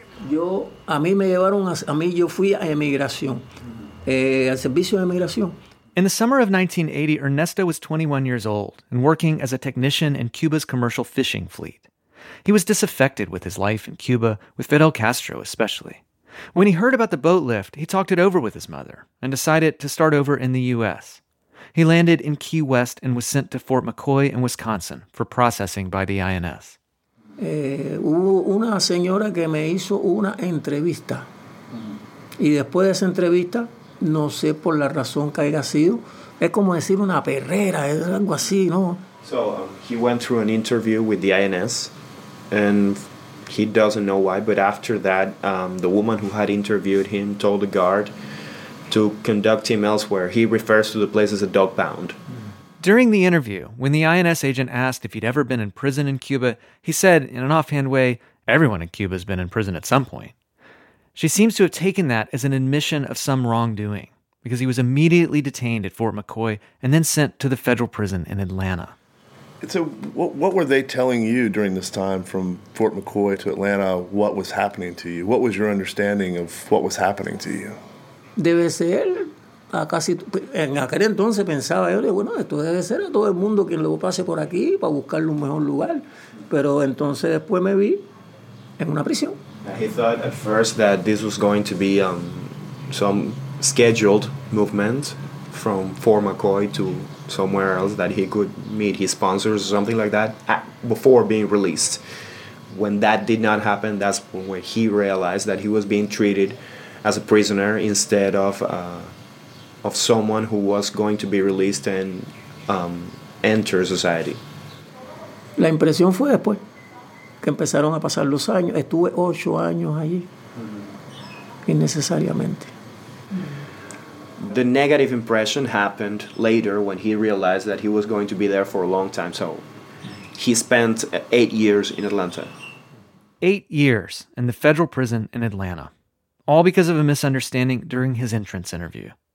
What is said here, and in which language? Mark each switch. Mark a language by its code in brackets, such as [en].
[es] Yo, a mí me llevaron a mí yo fui a emigración, al servicio de emigración. [en] In the summer of 1980, Ernesto was 21 years old and working as a technician in Cuba's commercial fishing fleet. He was disaffected with his life in Cuba, with Fidel Castro especially. When he heard about the boat lift, he talked it over with his mother and decided to start over in the U.S. He landed in Key West and was sent to Fort McCoy in Wisconsin for processing by the INS. [es] hubo una señora que me hizo una entrevista. Y después de esa entrevista, no sé por la razón que haya sido, es como decir una perrera, es algo así, ¿no? [en] So, he went through an interview with the INS, and he doesn't know why, but after that, the woman who had interviewed him told the guard to conduct him elsewhere. He refers to the place as a dog pound. During the interview, when the INS agent asked if he'd ever been in prison in Cuba, he said, in an offhand way, everyone in Cuba has been in prison at some point. She seems to have taken that as an admission of some wrongdoing, because he was immediately detained at Fort McCoy and then sent to the federal prison in Atlanta. So what were they telling you during this time from Fort McCoy to Atlanta, what was happening to you? What was your understanding of what was happening to you? [es] Debe ser a casi... En aquel entonces pensaba yo, bueno, esto debe ser a todo el mundo quien lo pase por aquí para buscarle un mejor lugar. Pero entonces después me vi en una prisión. [en] He thought at first that this was going to be some scheduled movement from Fort McCoy to somewhere else that he could meet his sponsors or something like that before being released. When that did not happen, that's when he realized that he was being treated as a prisoner instead of someone who was going to be released and enter society. [es] La impresión fue después que empezaron a pasar los años. Estuve 8 años allí, innecesariamente. [en] The negative impression happened later when he realized that he was going to be there for a long time. So he spent 8 years in Atlanta. 8 years in the federal prison in Atlanta, all because of a misunderstanding during his entrance interview.